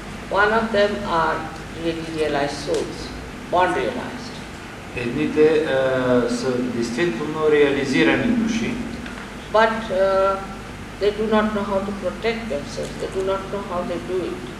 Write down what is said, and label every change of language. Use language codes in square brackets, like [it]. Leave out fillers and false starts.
[en] One of them are really realized souls, born realized. [bg] Едните са действително реализирани души. [en] But they do not know how to protect themselves. They do not know how they do it.